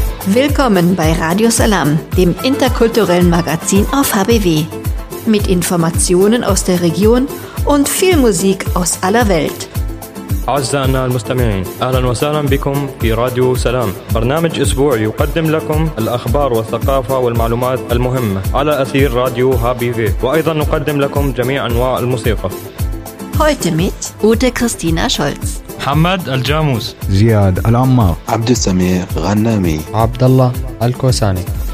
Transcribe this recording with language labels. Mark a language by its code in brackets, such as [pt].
[de] Willkommen bei Radio Salam, dem interkulturellen Magazin auf HBW. Mit Informationen aus der Region und viel Musik aus aller Welt. [ar] أعزائنا المستمعين أهلا وسهلا بكم في راديو سلام برنامج أسبوع يقدم لكم الأخبار والثقافة والمعلومات المهمة على أثير راديو هابي في وأيضا نقدم لكم جميع أنواع الموسيقى [de] Heute mit Ute Christina Scholz [ar] محمد الجاموس زياد العمار عبد السمير غنامي عبد الله الكوساني